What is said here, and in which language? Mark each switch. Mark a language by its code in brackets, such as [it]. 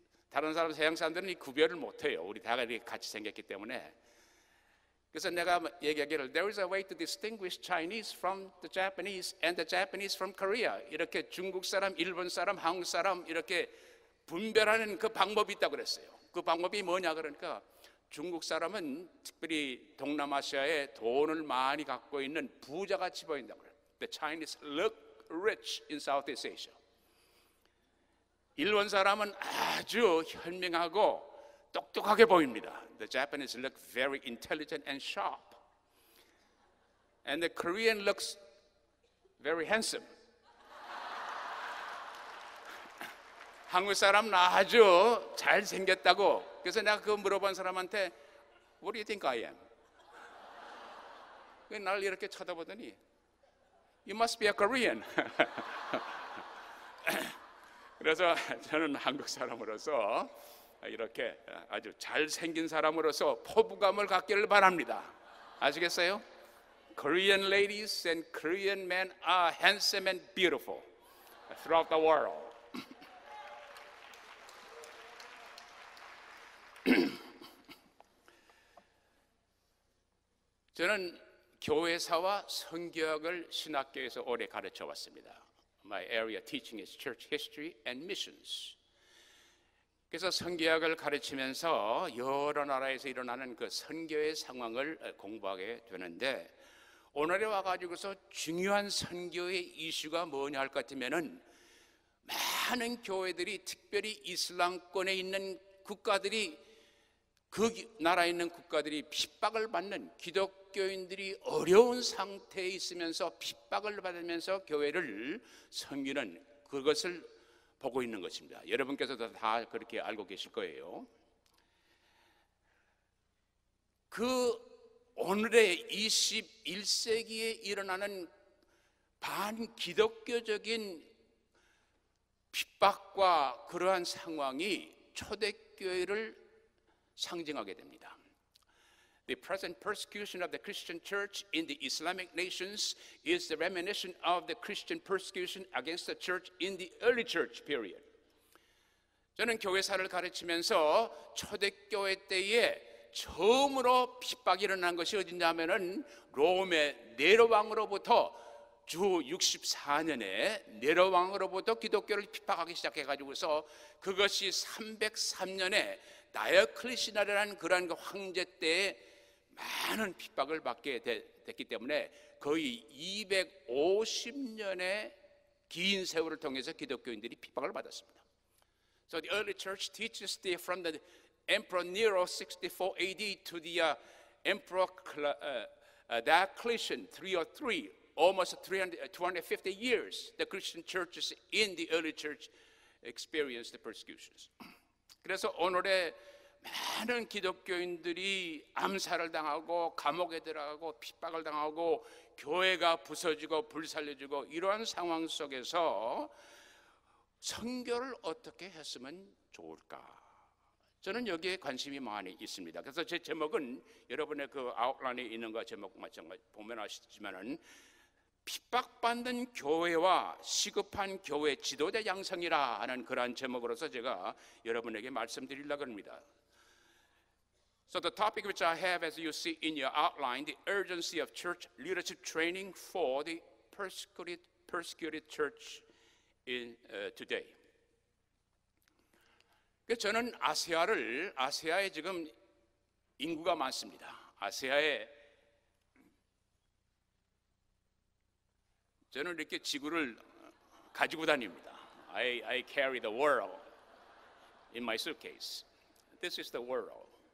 [ko] 다른 사람, 서양 사람들은 이 구별을 못해요. 우리 다 이렇게 같이 생겼기 때문에. 그래서 내가 얘기하기를 [en] There is a way to distinguish Chinese from the Japanese and the Japanese from Korea. [ko] 이렇게 중국 사람, 일본 사람, 한국 사람 이렇게 분별하는 그 방법이 있다고 그랬어요. 그 방법이 뭐냐 그러니까 중국 사람은 특별히 동남아시아에 돈을 많이 갖고 있는 부자같이 보인다고 그래요. [en] The Chinese look rich in Southeast Asia. [ko] 일본 사람은 아주 현명하고 똑똑하게 보입니다. [en] The Japanese look very intelligent and sharp. And the Korean looks very handsome. [ko] 한국 사람은 아주 잘생겼다고. 그래서 내가 그거 물어본 사람한테 [en] What do you think I am? [ko] 날 이렇게 쳐다보더니 [en] You must be a Korean. [ko] 그래서 저는 한국 사람으로서 이렇게 아주 잘생긴 사람으로서 포부감을 갖기를 바랍니다. 아시겠어요? [en] Korean ladies and Korean men are handsome and beautiful throughout the world. [ko] 저는 교회사와 선교학을 신학교에서 오래 가르쳐 왔습니다. [en] my area teaching is church history and missions. [ko] 그래서 선교학을 가르치면서 여러 나라에서 일어나는 그 선교의 상황을 공부하게 되는데, 오늘에 와가지고서 중요한 선교의 이슈가 뭐냐 할 것 같으면은, 많은 교회들이 특별히 이슬람권에 있는 국가들이, 그 나라에 있는 국가들이 핍박을 받는, 기독교인들이 어려운 상태에 있으면서 핍박을 받으면서 교회를 섬기는 그것을 보고 있는 것입니다. 여러분께서도 다 그렇게 알고 계실 거예요. 그 오늘의 21세기에 일어나는 반기독교적인 핍박과 그러한 상황이 초대교회를 상징하게 됩니다. [en] The present persecution of the Christian church in the Islamic nations is the reminiscence of the Christian persecution against the church in the early church period. [ko] 저는 교회사를 가르치면서 초대교회 때에 처음으로 핍박이 일어난 것이 어디냐면은 로마의 네로 왕으로부터 주 64년에 네로 왕으로부터 기독교를 핍박하기 시작해가지고서 그것이 303년에 다이오클레시나라는 그런 황제 때 많은 핍박을 받게 됐기 때문에 거의 250년의 긴 세월을 통해서 기독교인들이 핍박을 받았습니다. [en] So the early church teaches the from the Emperor Nero 64 AD to the Emperor Diocletian 303, almost 250 years, the Christian churches in the early church experienced the persecutions. [ko] 그래서 오늘의 많은 기독교인들이 암살을 당하고 감옥에 들어가고 핍박을 당하고 교회가 부서지고 불살려지고 이러한 상황 속에서 선교를 어떻게 했으면 좋을까? 저는 여기에 관심이 많이 있습니다. 그래서 제 제목은 여러분의 그 아웃라인에 있는 것 제목 마찬가지 보면 아시겠지만은 핍박받는 교회와 시급한 교회 지도자 양성이라 하는 그러한 제목으로서 제가 여러분에게 말씀드리려고 합니다. [en] So the topic which I have, as you see in your outline, the urgency of church leadership training for the persecuted church in today. [ko] 저는 아세아에 지금 인구가 많습니다. 아세아에 저는 이렇게 지구를 가지고 다닙니다. [en] I carry the world in my suitcase. This is the world.